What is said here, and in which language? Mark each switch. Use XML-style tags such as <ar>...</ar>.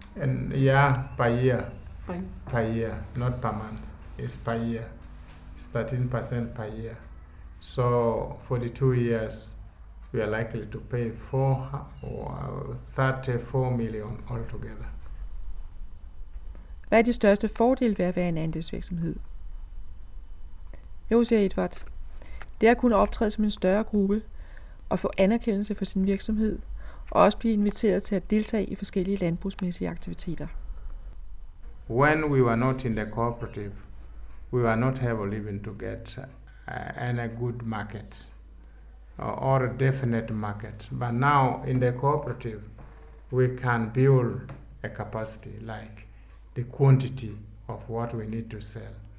<en>And yeah, per year. Per year, not per month. It's per year. It's 13% per year. So for the 2 years, we are likely to pay 34 million altogether.</en> <da>Hvad er de største fordele ved at være en andelsvirksomhed? Jo, siger Edvard. Det at kunne optræde som en større gruppe og få anerkendelse for sin virksomhed, og også blive inviteret til at deltage i forskellige landbrugsmæssige aktiviteter.</da> <en>When we were not in the cooperative, we were not able even to get any good market or a definite market. But now in the cooperative, we can build a capacity, like the quantity of what we need to sell.</en>